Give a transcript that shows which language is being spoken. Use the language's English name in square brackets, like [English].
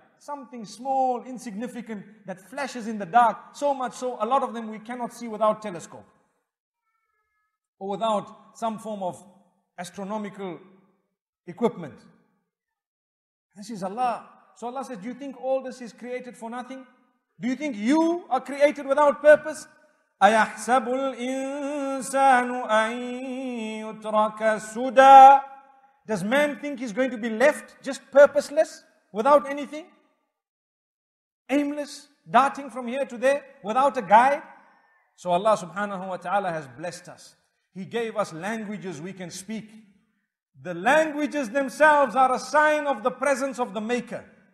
[English] Something small, insignificant, that flashes in the dark, so much so, a lot of them we cannot see without telescope. Or without some form of astronomical equipment. This is Allah. So Allah says, do you think all this is created for nothing? Do you think you are created without purpose? [Arabic] أَيَحْسَبُ الْإِنسَانُ أَن يُتْرَكَ سُدَى [English] Does man think he's going to be left just purposeless, without anything? Aimless, darting from here to there, without a guide? So Allah subhanahu wa ta'ala has blessed us. He gave us languages we can speak. The languages themselves are a sign of the presence of the Maker.